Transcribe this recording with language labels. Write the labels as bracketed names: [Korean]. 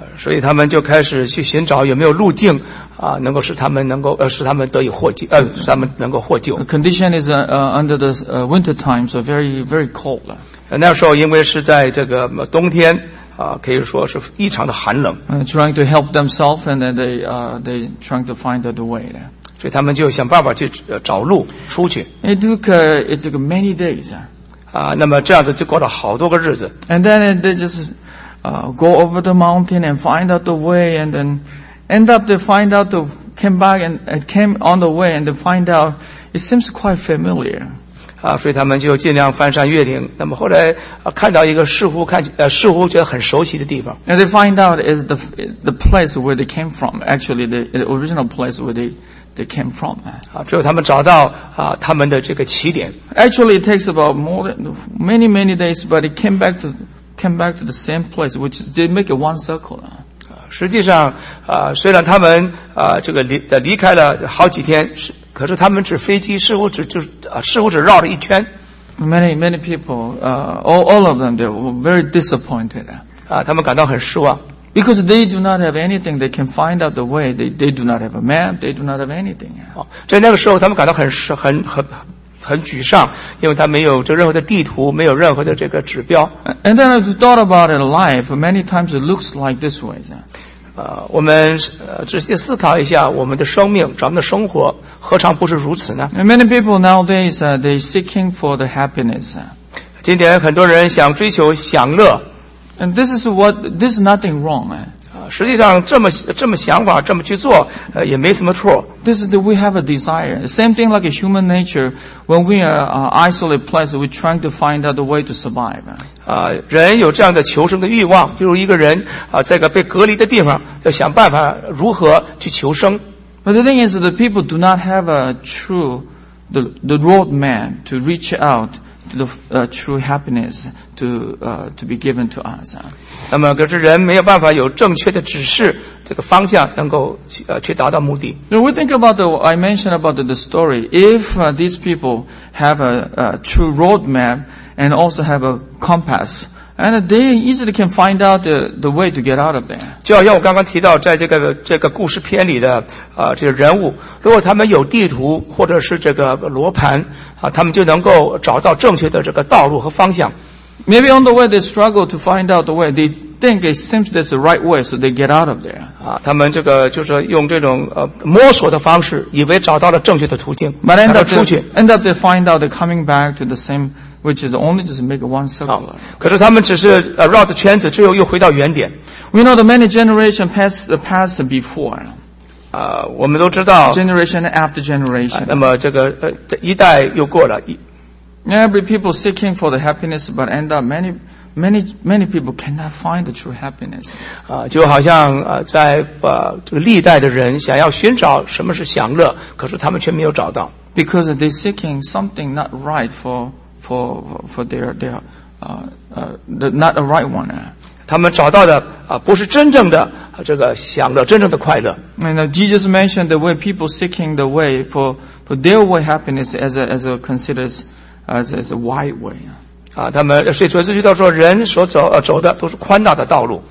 [Chinese] 所以他们就开始去寻找有没有路径能够使他们得以获救使他们能够获救。 [English] The condition is under the winter time, so very, very cold. [Chinese] 那时候因为是在这个冬天可以说是异常的寒冷。 [English] Trying to help themselves and then they trying to find out the way. There. [Chinese] 所以他们就想办法去找路出去。 [English] It took many days. [Chinese] 那么这样子就过了好多个日子。 [English] And then they just go over the mountain and find out the way, and then end up they find out they came back and came on the way and they find out it seems quite familiar. [Chinese] 所以他们就尽量翻山越岭。那么后来看到一个似乎觉得很熟悉的地方。 [English] And they find out is the place where they came from. Actually, the original place where they came from. [Chinese] 最后他们找到他们的这个起点。 [English] Actually, it takes about more than many, many days, but it came back to the same place, which is they make it one circle. [Chinese] 实际上虽然他们这个离开了好几天，可是他们只飞机似乎只绕了一圈。 [English] Many, many people, all of them, they were very disappointed. [Chinese] 他们感到很失望。 [English] Because they do not have anything, they can find out the way. They do not have a map. They do not have anything. [Chinese] 在那个时候，他们感到很很沮丧，因为他没有这任何的地图，没有任何的这个指标。 [English] And then I thought about it, life many times it looks like this way. [Chinese] 我们仔细思考一下，我们的生命，咱们的生活，何尝不是如此呢 [English] ？And many people nowadays they seeking for the happiness. [Chinese] 今天很多人想追求享乐。 [English] And this is nothing wrong. [Chinese] 实际上这么想法，这么去做，也没什么错。 [English] This is that we have a desire. Same thing like a human nature. When we are isolated place, we trying to find out the way to survive. [Chinese] 人有这样的求生的欲望，比如一个人在个被隔离的地方，要想办法如何去求生。 [English] But the thing is that people do not have a true the road map to reach out to the true happiness to be given to us. [Chinese] 那么可是人没有办法有正确的指示，这个方向能够去达到目的。 [English] Now we think about I mentioned about the story. If these people have a true road map and also have a compass, and they easily can find out the way to get out of there. [Chinese] 就好像我刚刚提到，在这个故事片里的这个人物，如果他们有地图或者是这个罗盘他们就能够找到正确的这个道路和方向。 [English] Maybe on the way they struggle to find out the way. They think it seems that's the right way, so they get out of there. [Chinese] 他们这个就是用这种摸索的方式，以为找到了正确的途径，然后出去。 [English] End up they find out they're coming back to the same, which is only just make one circle. [Chinese] 可是他们只是绕着圈子，最后又回到原点。 [English] We know the many generation passed before. [Chinese] 我们都知道。 [English] Generation after generation. [Chinese] 那么这个一代又过了。 [English] Every people seeking for the happiness, but end up many people cannot find the true happiness. [Chinese] 就好像在这个历代的人想要寻找什么是享乐，可是他们却没有找到。 [English] Because they seeking something not right for their the not a right one. [Chinese] 他们找到的不是真正的这个享乐，真正的快乐。 [English] And Jesus mentioned the way people seeking the way for their way happiness as a considers. As a wide way. [Chinese] 他们所以主耶稣到说人所走的都是宽大的道路。